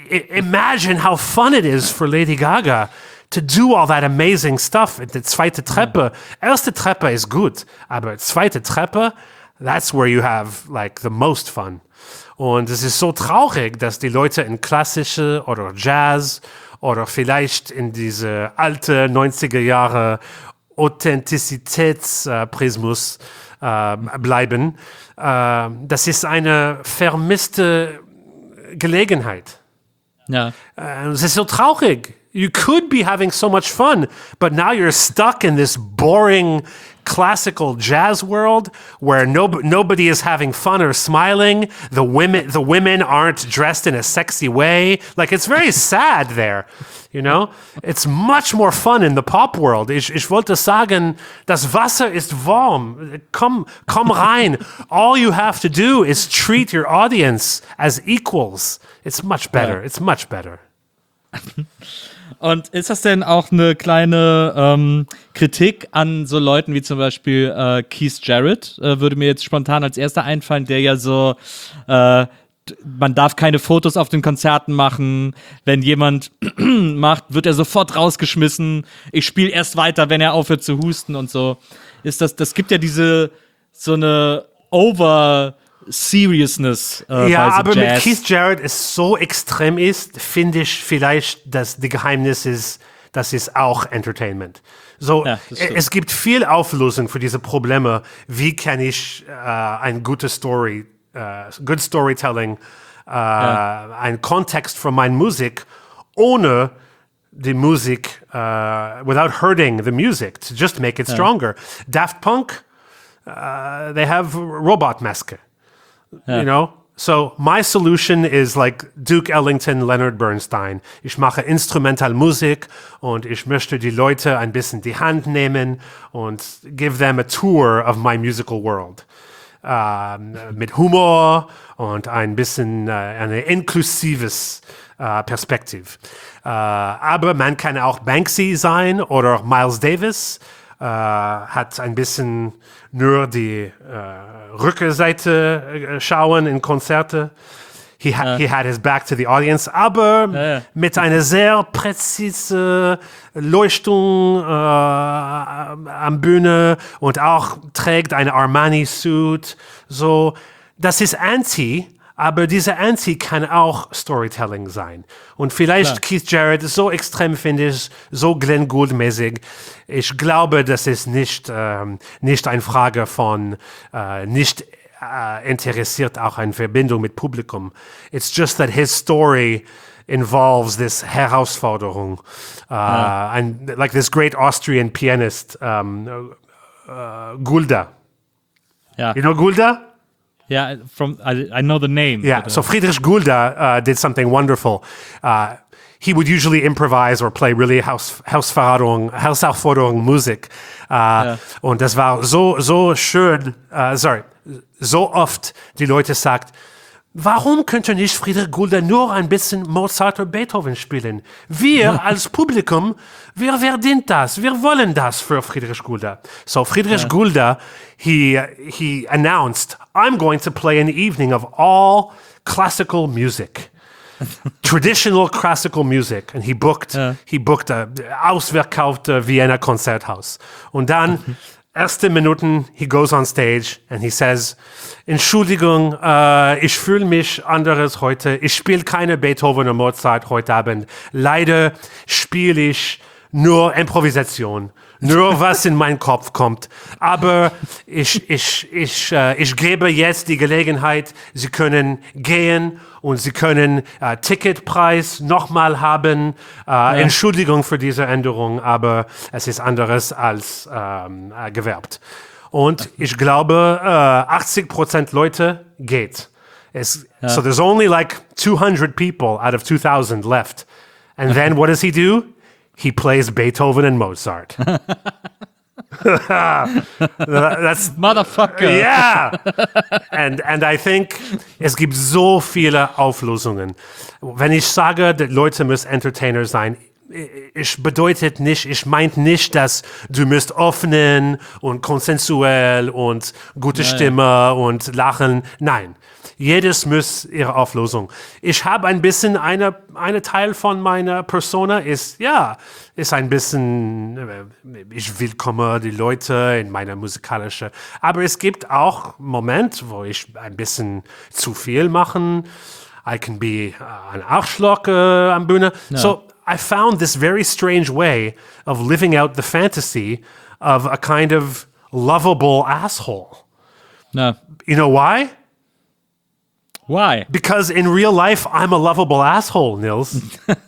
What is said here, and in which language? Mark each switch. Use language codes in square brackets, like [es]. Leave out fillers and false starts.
[en] Imagine how fun it is for Lady Gaga to do all that amazing stuff. [de] Die zweite Treppe, erste Treppe ist gut, aber zweite Treppe, [en] that's where you have like the most fun. [de] Und es ist so traurig, dass die Leute in klassische oder Jazz oder vielleicht in diese alte 90er Jahre Authentizitätsprismus bleiben. Das ist eine vermisste Gelegenheit. Ja. Es ist so traurig. [en] You could be having so much fun, but now you're stuck in this boring classical jazz world where nobody is having fun or smiling. The women aren't dressed in a sexy way. Like, it's very sad there, you know? It's much more fun in the pop world. [de] Ich wollte sagen, das Wasser ist warm. Komm rein. [en] All you have to do is treat your audience as equals. It's much better. It's much better. [de] Und ist das denn auch eine kleine Kritik an so Leuten wie zum Beispiel Keith Jarrett, würde mir jetzt spontan als erster einfallen, der ja so, man darf keine Fotos auf den Konzerten machen, wenn jemand macht, wird er sofort rausgeschmissen, ich spiele erst weiter, wenn er aufhört zu husten und so. Ist das gibt ja diese, so eine Over-Seriousness Weise aber Jazz. Mit Keith Jarrett ist so extrem ist, finde ich vielleicht, dass die Geheimnis ist, das ist auch Entertainment. So, ja, es gibt viel Auflösung für diese Probleme. Wie kann ich ein gutes Story, [en] good Storytelling, [de] ein Kontext für meine Musik ohne die Musik, [en] without hurting the music, to just make it stronger. Ja. Daft Punk, they have robot maske. Yeah. You know, so my solution is like Duke Ellington, Leonard Bernstein. [de] Ich mache instrumental Musik und ich möchte die Leute ein bisschen die Hand nehmen und [en] give them a tour of my musical world. [de] Mit Humor und ein bisschen eine inklusives Perspektive. Aber man kann auch Banksy sein oder Miles Davis. Hat ein bisschen nur die Rückseite schauen in Konzerte. [en] He had his back to the audience, [de] aber mit einer sehr präzise Leuchtung am Bühne und auch trägt eine Armani-Suit. So, das ist Anti, aber diese Anti kann auch Storytelling sein. Und vielleicht Keith Jarrett, so extrem finde ich, so Glenn Gould-mäßig. Ich glaube, das ist nicht, nicht eine Frage von nicht interessiert auch eine Verbindung mit Publikum. [en] It's just that his story involves this Herausforderung. And like this great Austrian pianist, Gulda. Yeah. You know Gulda? Yeah, from I know the name. Yeah, so Friedrich Gulda did something wonderful. He would usually improvise or play really [de] Herausforderung Musik. Und das war so schön, so oft die Leute sagt, warum könnte nicht Friedrich Gulda nur ein bisschen Mozart oder Beethoven spielen? Wir als Publikum, wir verdienen das, wir wollen das für Friedrich Gulda. [en] So Friedrich Gulda, he announced, I'm going to play an evening of all classical music. Traditional classical music. And he booked a ausverkaufte Vienna Konzerthaus. [de] Und dann, erste Minuten, [en] he goes on stage and he says, [de] Entschuldigung, ich fühle mich anders heute. Ich spiele keine Beethoven oder Mozart heute Abend. Leider spiele ich nur Improvisation. Nur was in meinen Kopf kommt. Aber ich gebe jetzt die Gelegenheit, Sie können gehen und Sie können Ticketpreis nochmal haben. Entschuldigung für diese Änderung, aber es ist anderes als gewerbt. Und ich glaube, 80% Leute geht. Es, ja. [en] So there's only like 200 people out of 2,000 left. And then what does he do? He plays Beethoven and Mozart. That's motherfucker. Yeah. And I think [de] es gibt so viele Auflösungen. Wenn ich sage, die Leute müssen Entertainer sein, ich meinte nicht, dass du musst öffnen und konsensuell und gute Stimme und lachen. Nein. Jedes muss ihre Auflösung. Ich habe ein bisschen eine Teil von meiner Persona ist ein bisschen, ich willkomme die Leute in meiner musikalischen, aber es gibt auch Momente, wo ich ein bisschen zu viel machen. [en] I can be an [de] Arschlock am Bühne. [en] No. So I found this very strange way of living out the fantasy of a kind of lovable asshole. No. You know why? Why? Because in real life, I'm a lovable asshole, Nils.